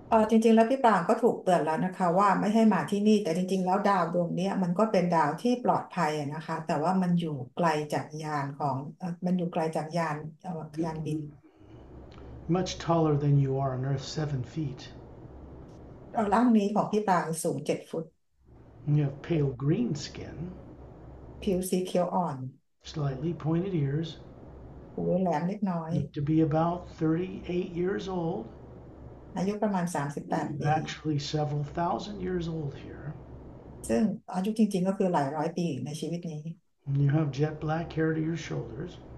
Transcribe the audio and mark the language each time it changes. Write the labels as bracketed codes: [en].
[th] จริงๆแล้วพี่ปรางก็ถูกเตือนแล้วนะคะว่าไม่ให้มาที่นี่แต่จริงๆแล้วดาวดวงนี้มันก็เป็นดาวที่ปลอดภัยนะคะแต่ว่ามันอยู่ไกลจากยานของมันอยู่ไกลจากยานบิน [en] Much taller than you are on Earth, 7 feet. [th] ร่างนี้ของพี่ปรางสูง7 ฟุต [en] You have pale green skin. [th] ผิวสีเขียวอ่อน [en] Slightly pointed ears. [th] หูแหลมเล็กน้อย [en] To be about 38 years old. [th] อายุประมาณ38ปี [en] Actually several thousand years old here. [th] ซึ่งอายุจริงๆก็คือหลายร้อยปีในชีวิตนี้ [en] You have jet black hair to your shoulders.